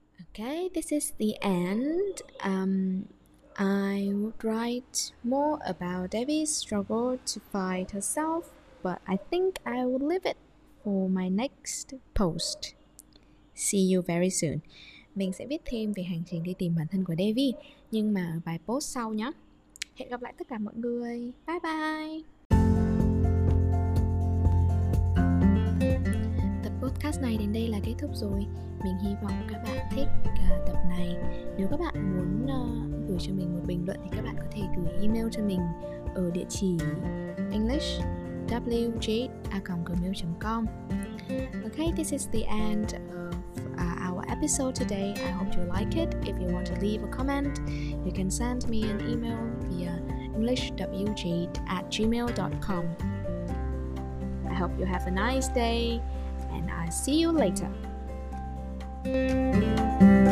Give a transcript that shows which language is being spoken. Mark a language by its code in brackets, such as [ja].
[en] Okay, this is the end. I would write more about Devi's struggle to fight herself, but I think I will leave it for my next post. See you very soon. [vi] Mình sẽ viết thêm về hành trình đi tìm bản thân của Devi, nhưng mà ở bài post sau nhé. Hẹn gặp lại tất cả mọi người. Bye bye! Tập podcast này đến đây là kết thúc rồi. Mình hy vọng các bạn thích tập này. Nếu các bạn muốn gửi cho mình một bình luận thì các bạn có thể gửi email cho mình ở địa chỉ englishwj@gmail.com. [en] Okay, this is the end of our episode today. I hope you like it. If you want to leave a comment, you can send me an email via englishwj@gmail.com. I hope you have a nice day, and I'll see you later. Thank you.